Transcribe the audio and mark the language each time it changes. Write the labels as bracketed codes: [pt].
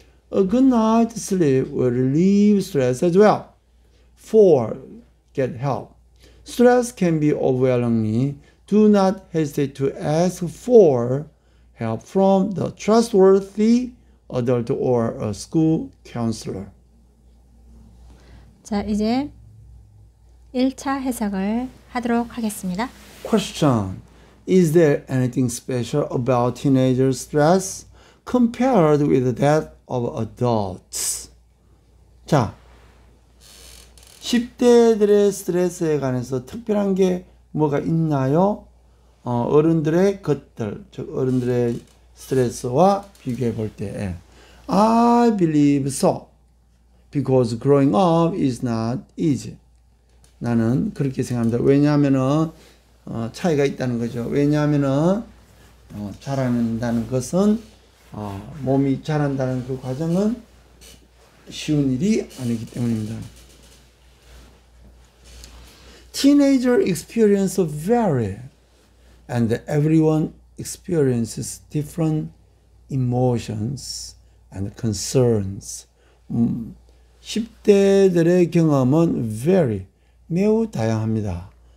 [en] A good night's sleep will relieve stress as well. 4. Get help. Stress can be overwhelming. Do not hesitate to ask for help from the trustworthy adult or a school counselor. [ko] 자, 이제 1차 해석을 하도록 하겠습니다. [en] Question: Is there anything special about teenager stress compared with that of adults? [ko] 자, 10대들의 스트레스에 관해서 특별한 게 뭐가 있나요? 어른들의 것들, 즉 어른들의 스트레스와 비교해 볼 때, [en] I believe so, because growing up is not easy. [ko] 나는 그렇게 생각합니다. 왜냐하면은 차이가 있다는 거죠. 왜냐하면은 자란다는 것은 몸이 자란다는 그 과정은 쉬운 일이 아니기 때문입니다. [en] Teenager experience vary, and everyone experiences different emotions and concerns. [ko] 10대들의 경험은 vary, 매우 다양합니다.